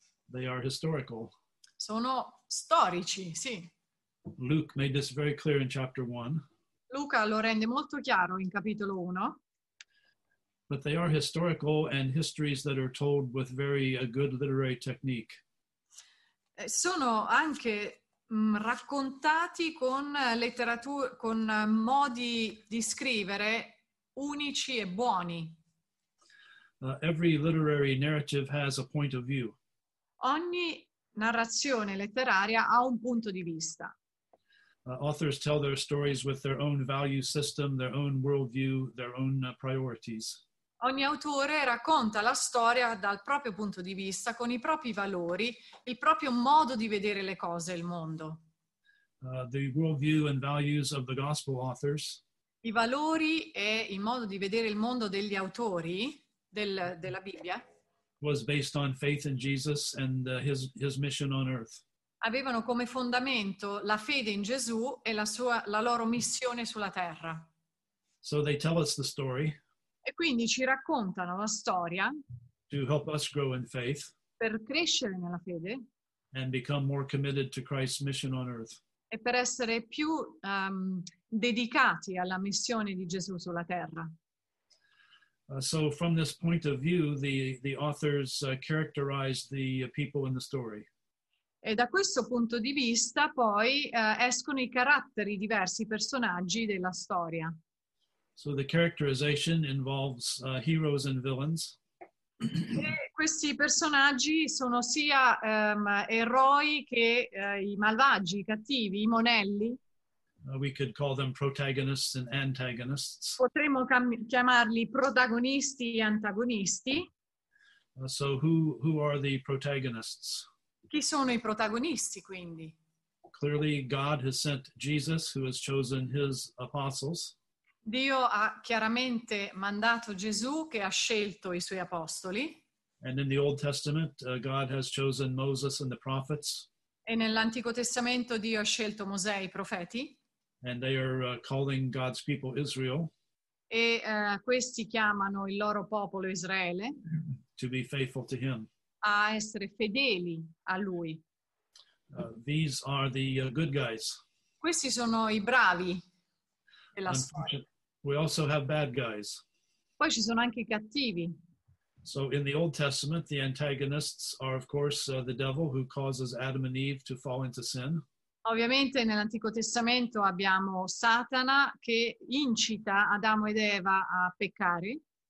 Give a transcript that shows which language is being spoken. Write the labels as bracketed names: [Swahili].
[English] They are historical. [Italian] Sono storici, sì. [English] Luke made this very clear in chapter 1. [Italian] Luca lo rende molto chiaro in capitolo 1. [English] But they are historical and histories that are told with very a good literary technique. [Italian] Sono anche raccontati con letteratura, con modi di scrivere unici e buoni. [English] Every literary narrative has a point of view. [Italian] Ogni narrazione letteraria ha un punto di vista. [English] Authors tell their stories with their own value system, their own worldview, their own priorities. [Italian] Ogni autore racconta la storia dal proprio punto di vista, con i propri valori, il proprio modo di vedere le cose e il mondo. [English] The worldview and values of the gospel authors, [Italian] i valori e il modo di vedere il mondo degli autori della Bibbia, [English] was based on faith in Jesus and his mission on earth. [Italian] Avevano come fondamento la fede in Gesù e la loro missione sulla terra. [English] So they tell us the story. [Italian] E quindi ci raccontano la storia [English] to help us grow in faith, [Italian] per crescere nella fede, [English] and become more committed to Christ's mission on earth, [Italian] e per essere più dedicati alla missione di Gesù sulla terra. [English] So from this point of view, the authors characterize the people in the story. [Italian] E da questo punto di vista poi escono i caratteri diversi personaggi della storia. [English] So the characterization involves heroes and villains. [Italian] Questi personaggi sono sia eroi che i malvagi, i cattivi, i monelli. [English] We could call them protagonists and antagonists. [Italian] Potremmo chiamarli protagonisti e antagonisti. [English] So who are the protagonists? [Italian] Chi sono i protagonisti, quindi? [English] clearly God has sent Jesus, who has chosen his apostles. [Italian] Dio ha chiaramente mandato Gesù, che ha scelto i suoi apostoli. [English] And in the Old Testament, God has chosen Moses and the prophets. [Italian] E nell'Antico Testamento Dio ha scelto Mosè e i profeti. [English] And they are calling God's people Israel. [Italian] E questi chiamano il loro popolo Israele. [English] To be faithful to him. [Italian] A essere fedeli a lui. [English] These are the good guys. [Italian] Questi sono i bravi della storia. [English] We also have bad guys. [Italian] Poi ci sono anche i cattivi. [English] So in the Old Testament, the antagonists are, of course, the devil who causes Adam and Eve to fall into sin. [Italian] Ovviamente nell'Antico Testamento abbiamo Satana che incita Adamo ed Eva a peccare.